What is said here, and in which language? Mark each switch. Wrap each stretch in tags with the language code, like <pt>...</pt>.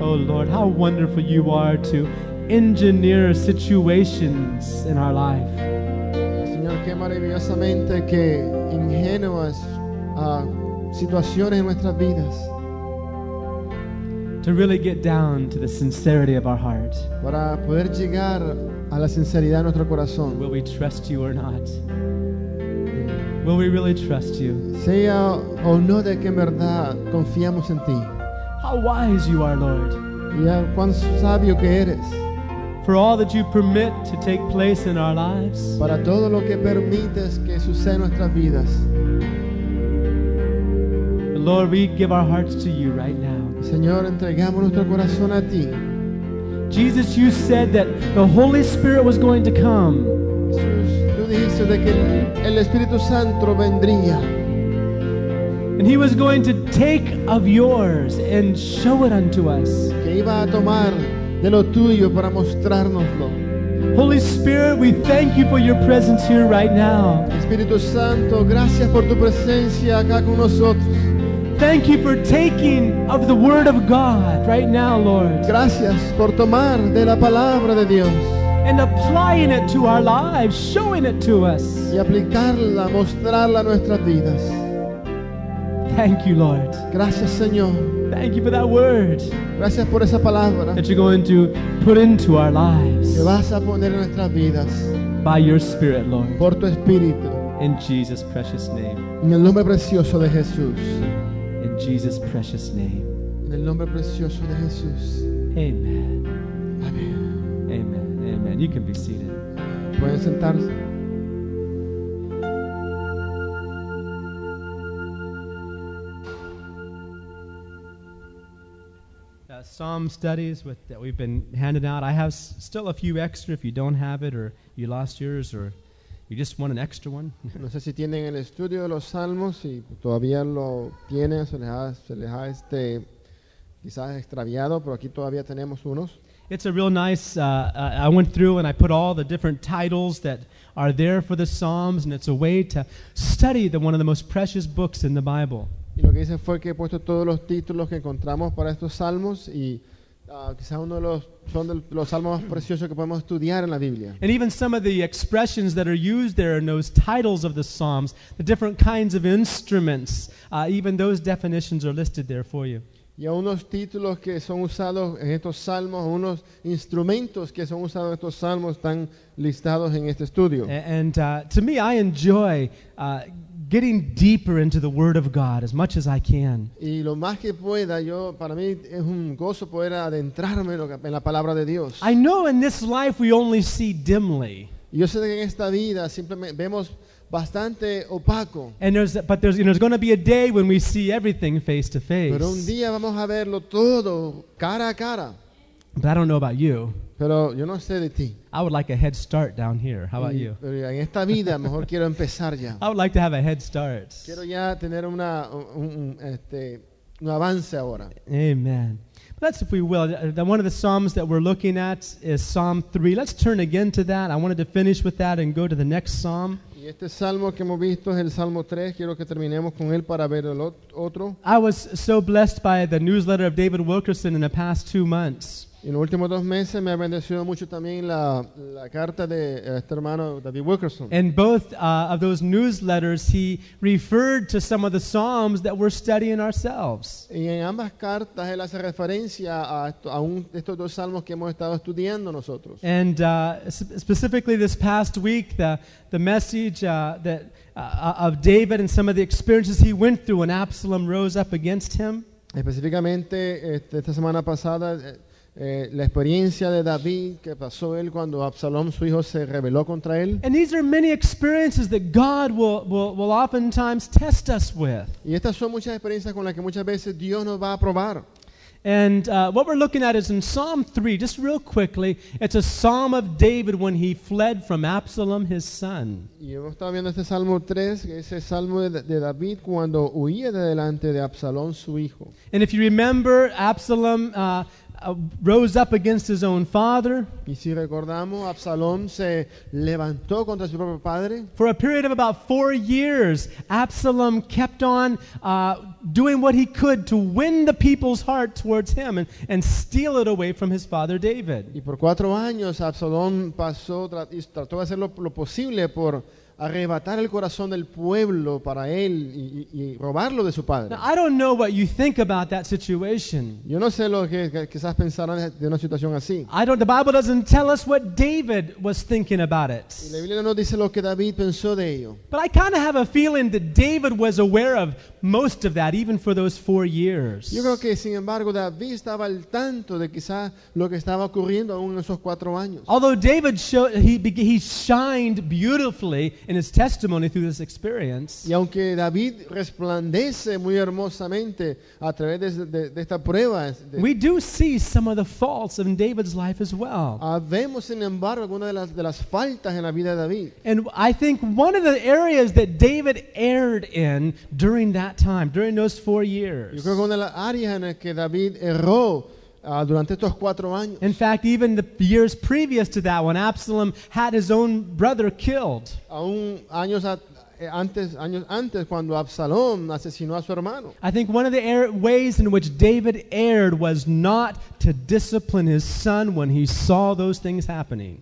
<en>Oh Lord, how wonderful You are to engineer situations in our life.</en> <es>Señor, qué maravillosamente que ingenuas situaciones en nuestras vidas.</es> <en>To really get down to the sincerity of our heart.</en> <es>Para poder llegar a la sinceridad de nuestro corazón.</es> <en>Will we trust You or not? Will we really trust You?</en> <es>Sea o no de que en verdad confiamos en Ti.</es> <en>How wise You are, Lord.</en> <es>Ya cuán sabio que eres.</es> <en>For all that You permit to take place in our lives.</en> <es>Para todo lo que permites que suceda en nuestras vidas.</es> <en>Lord, we give our hearts to You right now.</en> <es>Señor, entregamos nuestro corazón a Ti.</es> <en>Jesus, You said that the Holy Spirit was going to come.</en> <es>Jesús, Tú dijiste de que el Espíritu Santo vendría.</es> <en>And He was going to take of Yours and show it unto us.</en> <es>Que iba a tomar de lo tuyo para mostrárnoslo.</es> <en>Holy Spirit, we thank You for Your presence here right now.</en> <es>Espíritu Santo, gracias por Tu presencia acá con nosotros.</es> <en>Thank You for taking of the Word of God right now, Lord.</en> <es>Gracias por tomar de la palabra de Dios.</es> <en>And applying it to our lives, showing it to us.</en> <es>Y aplicarla, mostrarla a nuestras vidas.</es> <en>Thank You, Lord.</en> <es>Gracias, Señor.</es> <en>Thank You for that word.</en> <es>Gracias por esa palabra.</es> <en>That You're going to put into our lives.</en> <es>Que vas a poner en nuestras vidas.</es> <en>By Your Spirit, Lord.</en> <es>Por tu espíritu.</es> <en>In Jesus' precious name.</en> <es>En el nombre precioso de Jesús.</es> <en>In Jesus' precious name.</en> <es>En el nombre precioso de Jesús.</es> <en>Amen.</en> <es>Amen.</es> <en>Amen. Amen. You can be seated.</en> <es>Pueden sentarse.</es> <en>Psalm studies that we've been handing out. I have still a few extra if you don't have it or you lost yours or you just want an extra one.</en> <es>No sé si tienen el estudio de los salmos y todavía lo tienen, se les ha quizás extraviado, pero aquí todavía tenemos unos.</es> <en>It's a real nice, I went through and I put all the different titles that are there for the Psalms, and it's a way to study one of the most precious books in the Bible.</en> <es>Y lo que hice fue que he puesto todos los títulos que encontramos para estos salmos y quizás uno de los son de los salmos más preciosos que podemos estudiar en la Biblia.</es> <en>And even some of the expressions that are used there in those titles of the Psalms, the different kinds of instruments, even those definitions are listed there for you.</en> <es>Y a unos títulos que son usados en estos salmos, unos instrumentos que son usados en estos salmos están listados en este estudio.</es> <en>To me, I enjoy getting deeper into the Word of God as much as I can.</en> <es>Y lo más que pueda, yo para mí es un gozo poder adentrarme en la palabra de Dios.</es> <en>I know in this life we only see dimly.</en> <es>Yo sé que en esta vida simplemente vemos bastante opaco.</es> <en>And there's going to be a day when we see everything face to face.</en> <es>Pero un día vamos a verlo todo cara a cara.</es> <en>But I don't know about you.</en> <es>Pero yo no sé de ti.</es> <en>I would like a head start down here. How about you?</en> <es>Pero en esta vida mejor quiero empezar ya.</es> <en>I would like to have a head start.</en> <es>Quiero ya tener una un avance ahora.</es> <en>Amen. But that's if we will. One of the psalms that we're looking at is Psalm 3. Let's turn again to that. I wanted to finish with that and go to the next psalm.</en> <es>Y este salmo que hemos visto es el Salmo 3. Quiero que terminemos con él para ver el otro.</es> <en>I was so blessed by the newsletter of David Wilkerson in the past 2 months.</en> <es>En los últimos dos meses me ha bendecido mucho también la carta de este hermano David Wilkerson.</es> <en>In both of those newsletters, he referred to some of the psalms that we're studying ourselves.</en> <es>Y en ambas cartas él hace referencia a estos dos salmos que hemos estado estudiando nosotros.</es> <en>And specifically this past week, the message of David and some of the experiences he went through when Absalom rose up against him.</en> <es>Específicamente esta semana pasada. La experiencia de David que pasó él cuando Absalom su hijo se rebeló contra él.</es> <en>And these are many experiences that God will oftentimes test us with.</en> <es>Y estas son muchas experiencias con las que muchas veces Dios nos va a probar.</es> <en>And what we're looking at is in Psalm 3, just real quickly, it's a psalm of David when he fled from Absalom, his son.</en> <es>Y hemos estado viendo este Salmo 3, que es el Salmo de David cuando huía de delante de Absalom su hijo.</es> <en>And if you remember, Absalom rose up against his own father.</en> <es>Y si recordamos, Absalom se levantó contra su propio padre.</es> <en>For a period of about 4 years, Absalom kept on doing what he could to win the people's heart towards him and steal it away from his father David.</en> <es>Y por 4 años, Absalom trató de hacer lo posible por arrebatar el corazón del pueblo para él y robarlo de su padre.</es> <en>Now, I don't know what you think about that situation.</en> <es>Yo no sé lo que quizás pensarán de una situación así.</es> <en>The Bible doesn't tell us what David was thinking about it.</en> <es>Y la Biblia no dice lo que David pensó de ello.</es> <en>But I kind of have a feeling that David was aware of most of that, even for those 4 years.</en> <es>Yo creo que sin embargo David estaba al tanto de quizás lo que estaba ocurriendo aún en esos 4 años.</es> <en>Although David showed he shined beautifully in his testimony through this experience.</en> <es>Y aunque David resplandece muy hermosamente a través de esta prueba,</es> <en>we do see some of the faults in David's life as well.</en> <es>Vemos sin embargo algunas de las faltas en la vida de David.</es> <en>And I think one of the areas that David erred in during that time, during those 4 years.</en> <es>Yo creo que una de las áreas en las que David erró durante estos 4 años.</es> <en>In fact, even the years previous to that, when Absalom had his own brother killed.</en> <es>Aún años antes, cuando Absalom asesinó a su hermano.</es> <en>I think one of the ways in which David erred was not to discipline his son when he saw those things happening.</en>